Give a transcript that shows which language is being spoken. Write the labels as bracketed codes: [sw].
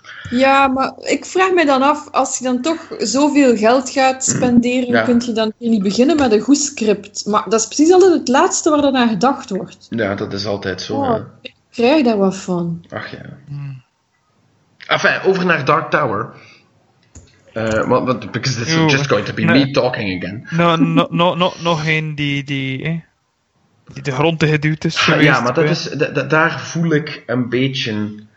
[nl] Ja, maar ik vraag me dan af, als je dan toch zoveel geld gaat spenderen, kun je dan niet beginnen met een goed script. Maar dat is precies altijd het laatste waar dan aan gedacht wordt. Ja, dat is altijd zo. Oh, ik krijg daar wat van. Ach ja. Enfin, over naar Dark Tower. Want [en] because this is just going to be me talking again. [nl] Nog een die de grond te geduwd is geweest. Ja, maar daar voel ik een beetje...